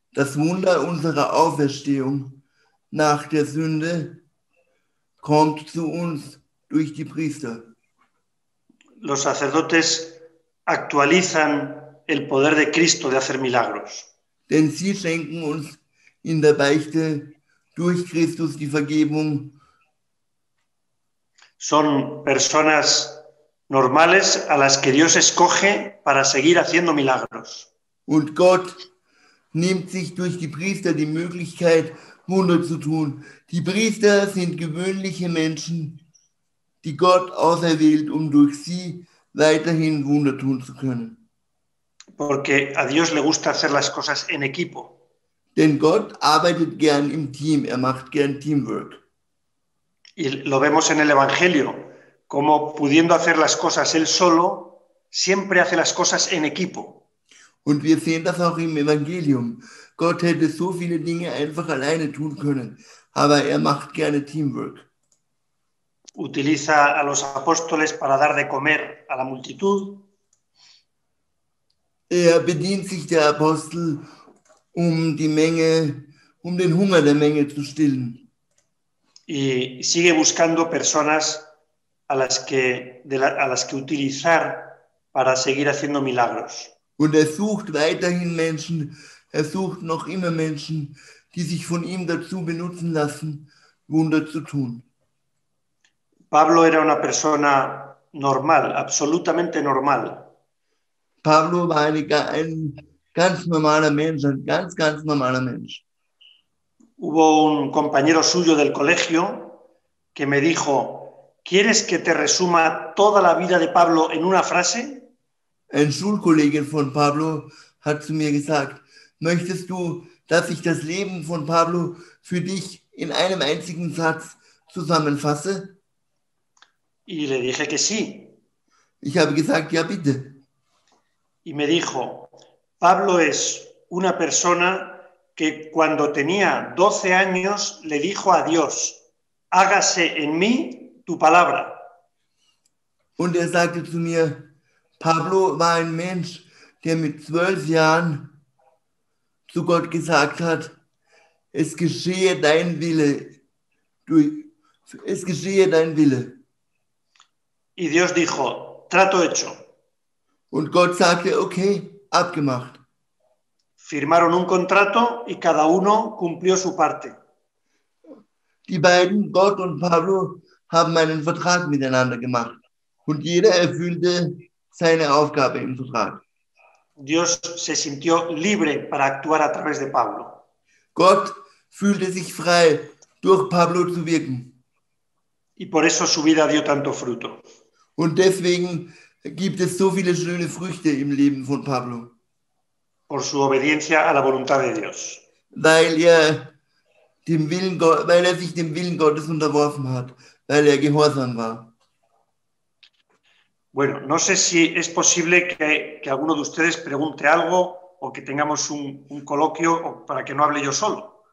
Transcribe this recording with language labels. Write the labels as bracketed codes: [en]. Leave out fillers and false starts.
[de] Das Wunder unserer Auferstehung nach der Sünde kommt zu uns durch die Priester. [es] Los sacerdotes actualizan el poder de Cristo de hacer milagros. [de] Denn sie schenken uns in der Beichte durch Christus die Vergebung. [es] Son personas normales a las que Dios escoge para seguir haciendo milagros. [de] Und Gott nimmt sich durch die Priester die Möglichkeit, Wunder zu tun. Die Priester sind gewöhnliche Menschen, die Gott auserwählt, um durch sie weiterhin Wunder tun zu können. [es] Porque a Dios le gusta hacer las cosas en equipo. [de] Denn Gott arbeitet gern im Team, er macht gern Teamwork. [es] Y lo vemos en el Evangelio, como pudiendo hacer las cosas él solo, siempre hace las cosas en equipo. [de] Und wir sehen das auch im Evangelium. Gott hätte so viele Dinge einfach alleine tun können, aber er macht gerne Teamwork. [es] Utiliza a los apóstoles para dar de comer a la multitud. [de] Er bedient sich der Apostel, um die Menge, um den Hunger der Menge zu stillen. [es] Y sigue buscando personas a las que utilizar para seguir haciendo milagros. [de] Und er sucht weiterhin Menschen, er sucht noch immer Menschen, die sich von ihm dazu benutzen lassen, Wunder zu tun. [es] Pablo era una persona normal, absolutamente normal. [de] Pablo war ein ganz normaler Mensch, ein ganz, ganz normaler Mensch. [es] Hubo un compañero suyo del colegio que me dijo, ¿quieres que te resuma toda la vida de Pablo en una frase? [de] Ein Schulkollege von Pablo hat zu mir gesagt, möchtest du, dass ich das Leben von Pablo für dich in einem einzigen Satz zusammenfasse? [es] Y le dije que sí. [de] Ich habe gesagt, ja, bitte. [es] Y me dijo, Pablo es una persona que cuando tenía 12 años le dijo a Dios, hágase en mí tu palabra. [de] Und er sagte zu mir, Pablo war ein Mensch, der mit 12 Jahren zu Gott gesagt hat, es geschehe dein Wille, es geschehe dein Wille. [es] Y Dios dijo, trato hecho. [de] Und Gott sagte, okay, abgemacht. [es] Firmaron un contrato y cada uno cumplió su parte. [de] Die beiden, Gott und Pablo, haben einen Vertrag miteinander gemacht und jeder erfüllte seine Aufgabe im Vertrag. [es] Dios se sintió libre para actuar a través de Pablo. [de] Gott fühlte sich frei, durch Pablo zu wirken. [es] Y por eso su vida dio tanto fruto. [de] Und deswegen gibt es so viele schöne Früchte im Leben von Pablo. [es] Por su obediencia a la voluntad de Dios. [de] Weil er sich dem Willen Gottes unterworfen hat, weil er gehorsam war. [es] Bueno, no sé si es posible que alguno de ustedes pregunte algo o que tengamos un coloquio para que no hable yo solo.